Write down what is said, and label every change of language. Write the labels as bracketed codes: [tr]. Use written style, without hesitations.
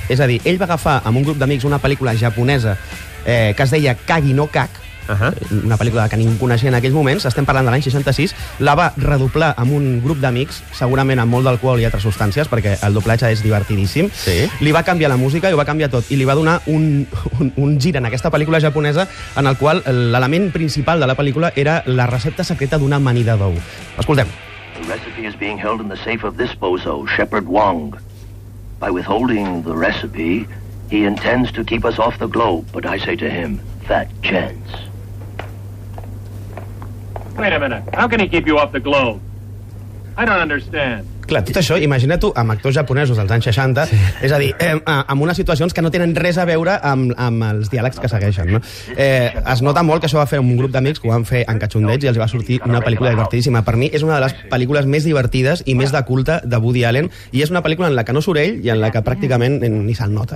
[ca] És a dir, ell va agafar amb un grup d'amics una pel·lícula japonesa que es deia Kagi no Kak, una pel·lícula que ningú coneixia en aquells moments, estem parlant de l'any 66, la va redoblar amb un grup d'amics, segurament amb molt d'alcohol i altres substàncies, perquè el doblatge és divertidíssim, li va canviar la música i ho va canviar tot, i li va donar un gir en aquesta pel·lícula japonesa en el qual l'element principal de la pel·lícula era la recepta secreta d'una amanida d'ou. Escoltem. [en] The recipe is being held in the safe of this bozo, Shepherd Wong. By withholding the recipe, he intends to keep us off the globe, but I say to him, fat chance. Wait a minute. How can he keep you off the globe? I don't understand. [ca] Clar, tot això, imagina't-ho amb actors japonesos dels anys 60, és a dir, amb unes situacions que no tenen res a veure amb els diàlegs que segueixen. No? Es nota molt que això va fer un grup d'amics que ho van fer en catxondets i els va sortir una pel·lícula divertidíssima. Per mi és una de les pel·lícules més divertides i més de culte de Woody Allen, i és una pel·lícula en la que no surt ell i en la que pràcticament ni se'n nota.